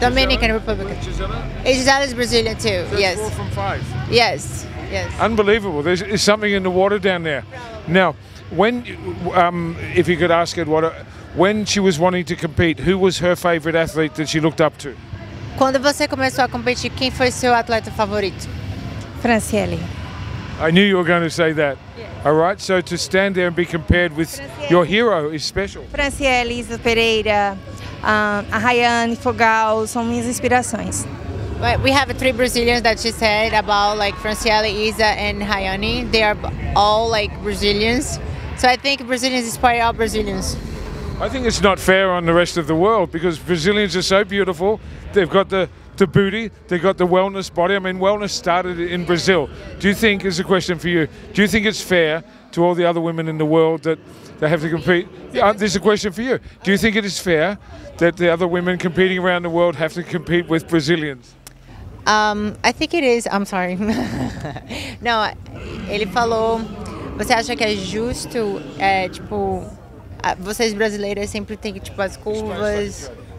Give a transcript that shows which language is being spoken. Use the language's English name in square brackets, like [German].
[English] Dominican Republic. Gisella is Brazilian too, so yes. Four from five. Yes, yes. Unbelievable. There's something in the water down there. Bravo. Now, when, if you could ask Eduarda, when she was wanting to compete, who was her favorite athlete that she looked up to? [Portuguese] Quando você começou a competir, quem foi seu atleta favorito? Franciele. [English] I knew you were going to say that. Yes. All right, so to stand there and be compared with Franciele. Your hero is special. [Portuguese] Franciele, Isa Pereira. A Rayane, Fogal, são minhas inspirações. [English] We have 3 Brazilians that she said about, like Franciele, Isa and Rayane. They are all like Brazilians. So I think Brazilians inspire all Brazilians. I think it's not fair on the rest of the world because Brazilians are so beautiful. They've got the booty, they've got the wellness body. I mean, wellness started in Brazil. Do you think, is a question for you, do you think it's fair to all the other women in the world that they have to compete? This is a question for you. Do you think it is fair that the other women competing around the world have to compete with Brazilians? I think it is. I'm sorry. [Portuguese] No, ele falou, você acha que é justo, tipo, vocês brasileiras sempre têm, tipo, as curvas.